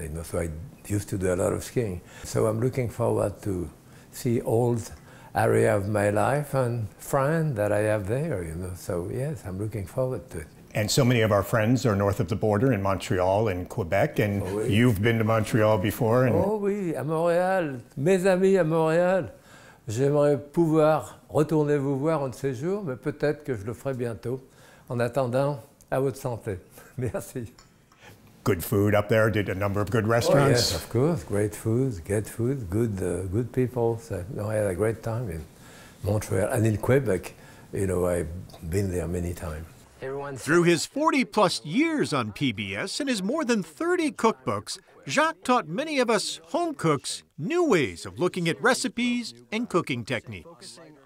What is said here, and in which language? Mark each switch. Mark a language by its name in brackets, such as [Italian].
[English] You know, so I used to do a lot of skiing. So I'm looking forward to see old area of my life and friend that I have there. You know, so yes, I'm looking forward to it. And so many of our friends are north of the border in Montreal and Quebec, and you've been to Montreal before. And [French] oh oui, à Montréal, mes amis à Montréal. J'aimerais pouvoir retourner vous voir un de ces jours, mais peut-être que je le ferai bientôt. En attendant, à votre santé. Merci. [English] Good food up there, did a number of good restaurants. Oh yes, of course, great food, good food, good people. So I had a great time in Montreal and in Quebec. You know, I've been there many times. Through his 40-plus years on PBS and his more than 30 cookbooks, Jacques taught many of us home cooks new ways of looking at recipes and cooking techniques.